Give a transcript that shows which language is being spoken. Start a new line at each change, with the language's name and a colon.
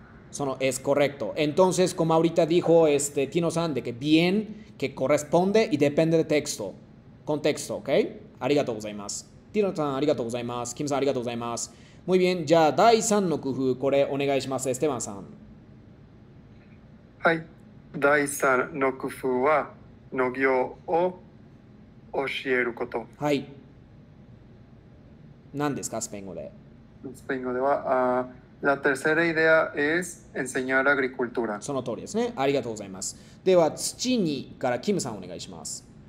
Japanese: その
Spanish: es correcto. Entonces, como ahorita dijo Kino-san, de que bien, que corresponde y depende de texto. Contexto, ¿ok?
Japanese: ありがとうございます。Kino-san, ありがとうございます。キムさん、ありがとうございます。
Spanish: Muy bien,
Japanese: じゃあ第3の工夫、これお願いします、エステバンさん。はい。第三の工夫は、の行を教えること。はい。何ですか、スペイン語で。スペイン語では、
Spanish: la tercera idea es enseñar agricultura。
Japanese: その通りですね。ありがとうございます。では、土にから、キムさんお願いします。